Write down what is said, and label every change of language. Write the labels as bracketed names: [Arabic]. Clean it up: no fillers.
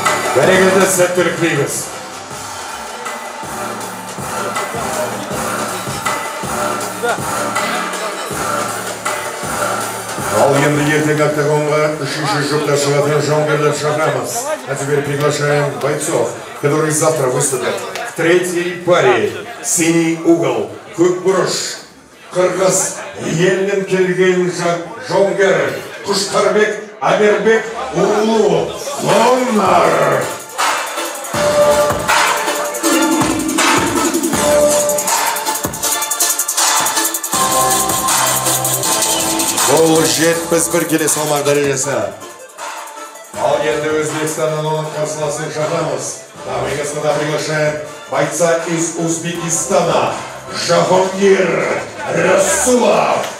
[Kazakh] Бәрекелді сәттілік тілейміз. Ал енді ертең октагонға үшінші жұпта шығатын жауынгерлер шығамыз. [Russian] А теперь приглашаем бойцов, которые завтра выступят в третьей паре. Синий угол, [Kazakh] көк бұрыш, Қырғыз елінен келген жауынгер Құштарбек Амербек Улу Лонар. Ол 71 келе салмақ дәрежесі. Ал енді Өзбекстаннан оның қарсыласын шақырамыз. [Russian] Дамы и господа, приглашаем бойца из Узбекистана Жахонгир Расулов.